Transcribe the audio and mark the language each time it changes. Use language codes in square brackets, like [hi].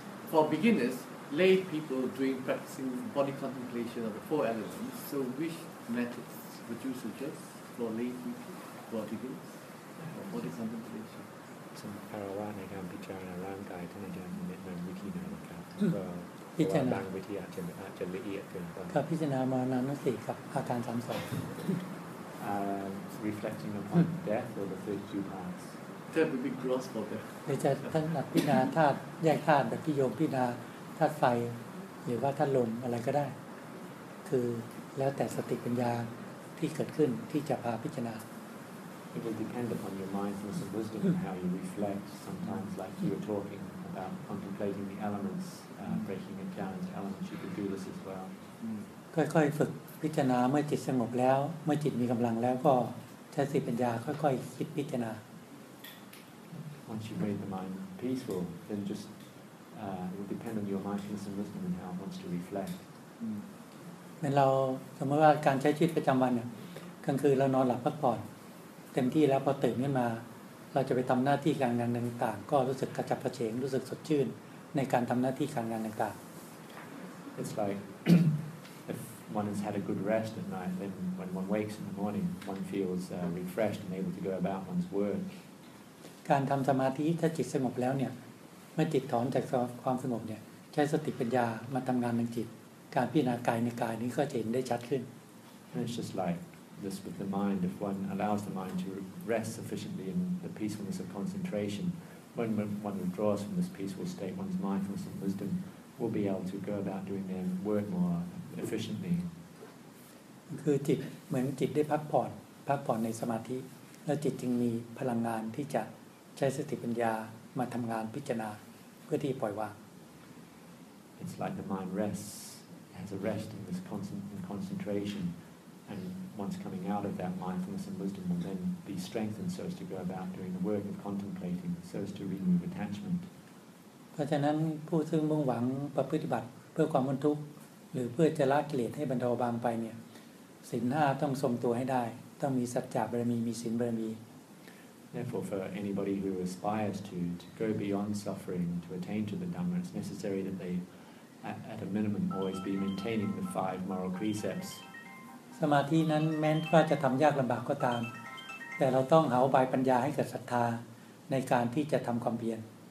[en] For beginners, lay people doing practicing body contemplation of the four elements, so which methods would you suggest for lay people, for beginners, for body contemplation [th] สำหรับว่าในการพิจารณาร่างกายท่านอาจารย์แนะนำวิธีไหนนะครับ พิจารณา บางวิธีอาจจะละเอียดเกินไป ครับพิจารณามรณานุสติกับอาการ32 [en] reflecting upon death or the third two parts that would be gross for death [th] จะท่านพิจารณาธาตุแยกธาตุแบบที่โยมพิจารณาธาตุไฟหรือว่าธาตุลมอะไรก็ได้คือแล้วแต่สติปัญญาที่เกิดขึ้นที่จะพาพิจารณา [en] It will depend upon your mindfulness and wisdom and how you reflect. Sometimes, like you were talking about contemplating the elements, breaking it down into elements, you could do this as well. [th] ค่อยๆฝึกพิจารณาเมื่อจิตสงบแล้วเมื่อจิตมีกำลังแล้วก็ใช้สติปัญญาค่อยๆคิดพิจารณา [en] Once you've made the mind peaceful, then just it will depend on your mindfulness and wisdom and how it wants to reflect. [th] เหมือนเราสมมติว่าการใช้ชีวิตประจำวันเนี่ยกลางคืนเรานอนหลับพักผ่อนเต็มที่แล้วพอตื่นขึ้นมาเราจะไปทำหน้าที่การงานต่างๆก็รู้สึกกระจับกระเฉงรู้สึกสดชื่นในการทำหน้าที่การงานต่าง [en] ๆ It's like if one has had a good rest at night, then when one wakes in the morning, one feels refreshed and able to go about one's work. [th] การทำสมาธิถ้าจิตสงบแล้วเนี่ยเมื่อจิตถอนจากความสงบเนี่ยใช้สติปัญญามาทำงานในจิตการพิจารณากายในกายนี้ก็จะเห็นได้ชัดขึ้น [en] It's just like. This with the mind, if one allows the mind to rest sufficiently in the peacefulness of concentration, when one withdraws from this peaceful state, one's mindfulness and wisdom will be able to go about doing their work more efficiently. [th] คือจิตเหมือนจิตได้พักผ่อนในสมาธิแล้วจิตจึงมีพลังงานที่จะใช้สติปัญญามาทำงานพิจารณาเพื่อที่ปล่อยวาง [en] It's like the mind rests, has a rest in this concentration. And once coming out of that, mindfulness and wisdom will then be strengthened so as to go about doing the work of contemplating, so as to remove attachment. [th] เพราะฉะนั้นผู้ซึ่งมุ่งหวังประพฤติบัติเพื่อความพ้นทุกข์หรือเพื่อจะละกิเลสให้บรรเทาบางไปเนี่ยศีล5ต้องทรงตัวให้ได้ต้องมีสัจจบารมีมีศีลบารมี [en] Therefore, for anybody who aspires to go beyond suffering, to attain to the Dhamma, it's necessary that they, at a minimum, always be maintaining the five moral precepts. [th] สมาธินั้นแม้นว่าจะทำยากลำบากก็ตามแต่เราต้องหาอุบายปัญญาให้เกิดศรัทธาในการที่จะทำความเพียร